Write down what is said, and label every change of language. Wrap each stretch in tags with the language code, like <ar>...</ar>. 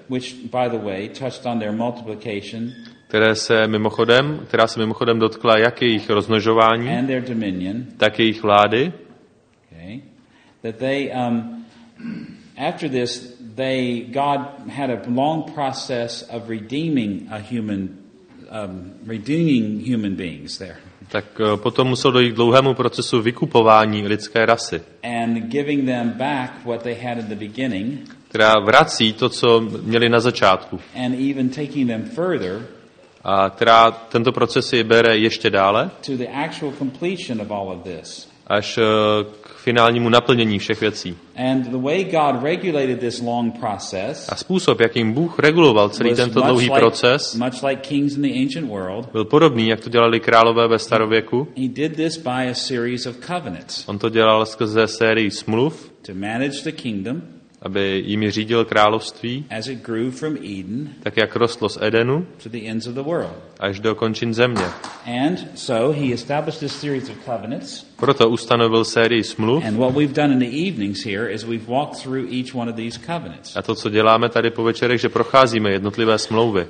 <en>which by the way touched on their multiplication,</en> <cs>která se mimochodem dotkla jak jejich rozmnožování,</cs> <en>and their dominion,</en> <cs>tak jejich vlády,</cs> <en>okay, that they after this God had a long process of redeeming a human, redeeming human beings there.</en> <cs>Tak potom muselo dojít k dlouhému procesu vykupování lidské rasy.</cs> <en>And giving them back what they had in the beginning.</en> <cs>Která vrací to, co měli na začátku.</cs> <en>And even taking them further.</en> <cs>A která tento proces je bere ještě dále.</cs> <en>To the actual completion of all of this.</en> <cs>Až k finálnímu naplnění všech věcí.</cs> <en>And the way God regulated this long process,</en> <cs>a způsob, jakým Bůh reguloval celý tento dlouhý proces,</cs> <en>much like kings in the ancient world,</en> <cs>byl podobný, jak to dělali králové ve starověku.</cs> <en>He did this by a series of covenants.</en> <cs>On to dělal skrze sérii smluv,</cs> <en>to manage the kingdom,</en> <cs>aby jimi řídil království,</cs> <en>as it grew from Eden,</en> <cs>tak jak rostlo z Edenu,</cs> <en>to the ends of the world,</en> <cs>až do končin země.</cs> <en>And so he established this series of covenants.</en> <cs>Proto ustanovil sérii smluv.</cs> <en>And what we've done in the evenings here is we've walked through each one of these covenants.</en> <cs>A to, co děláme tady po večerech, že procházíme jednotlivé smlouvy.</cs>